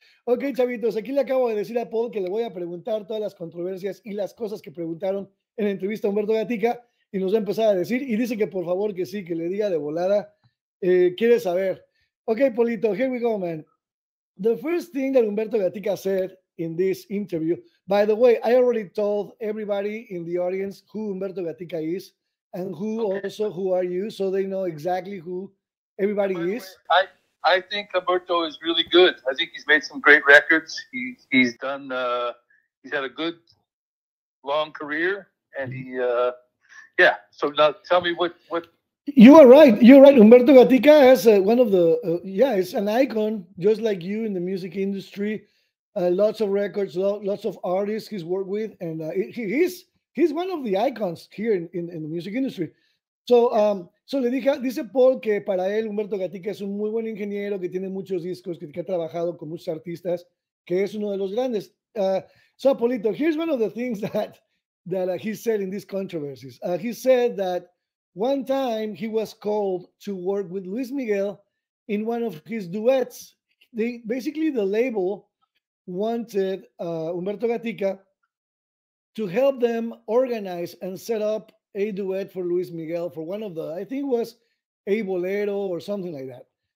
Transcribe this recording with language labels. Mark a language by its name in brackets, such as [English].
[Spanish] Okay, chavitos, aquí le acabo de decir a Paul que le voy a preguntar todas las controversias y las cosas que preguntaron en la entrevista a Humberto Gatica y nos va a empezar a decir. Y dice que por favor que sí, que le diga de volada. Quiere saber. [English] Okay, Polito, here we go, man. The first thing that Humberto Gatica said in this interview, by the way, I already told everybody in the audience who Humberto Gatica is and who also who are you, so they know exactly who everybody is. I think Humberto is really good. I think he's made some great records. He's done, he's had a good long career, and he, yeah. So now tell me what. You are right. You're right. Humberto Gatica is one of the, yeah, it's an icon, just like you in the music industry. Lots of records, lots of artists he's worked with, and he's one of the icons here in the music industry. [Spanish] So le dije, dice Paul que para él Humberto Gatica es un muy buen ingeniero, que tiene muchos discos, que ha trabajado con muchos artistas, que es uno de los grandes. [English] So, Paulito, here's one of the things that he said in these controversies. He said that one time he was called to work with Luis Miguel in one of his duets. Basically, the label wanted Humberto Gatica to help them organize and set up a duet for Luis Miguel for one of the, I think it was A Bolero or something like that.